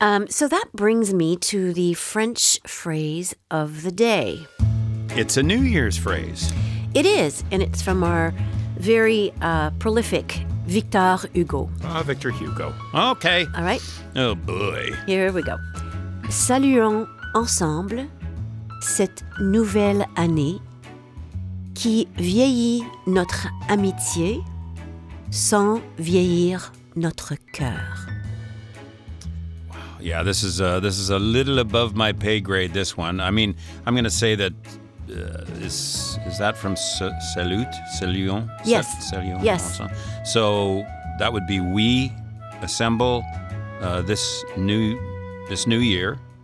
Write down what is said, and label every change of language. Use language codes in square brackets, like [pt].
[en] So that brings me to the French phrase of the day. It's a New Year's phrase. It is. And it's from our very prolific Victor Hugo. Ah, Victor Hugo. Okay. All right. Oh, boy. Here we go. [fr] Saluons ensemble cette nouvelle année qui vieillit notre amitié sans vieillir notre cœur. [en] Yeah, this is a little above my pay grade, this one. I mean, I'm going to say that, is that from Salut? [fr] Saluons? [en] Yes. [fr] Saluons. [en] Yes. So that would be we assemble this new year.